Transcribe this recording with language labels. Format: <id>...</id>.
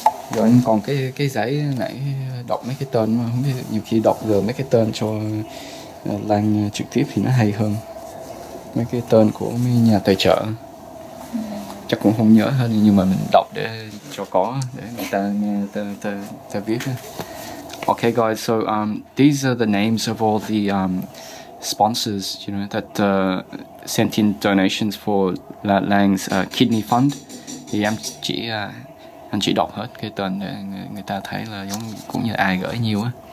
<vi>rồi anh còn cái giấy nãy đọc mấy cái tên mà không biết, nhiều khi đọc gờ mấy cái tên cho Lan trực tiếp thì nó hay hơn mấy cái tên của mấy nhà tài trợ. Chắc cũng không nhớ hết, nhưng mà mình đọc để cho có, để người ta nghe ta biết.</vi> <en>Okay guys, so these are the names of all the sponsors, you know, that sent in donations for La Lang's kidney fund.</en> <vi>Thì em chỉ anh chỉ đọc hết cái tên để người ta thấy là giống cũng như ai gửi nhiều á.</vi>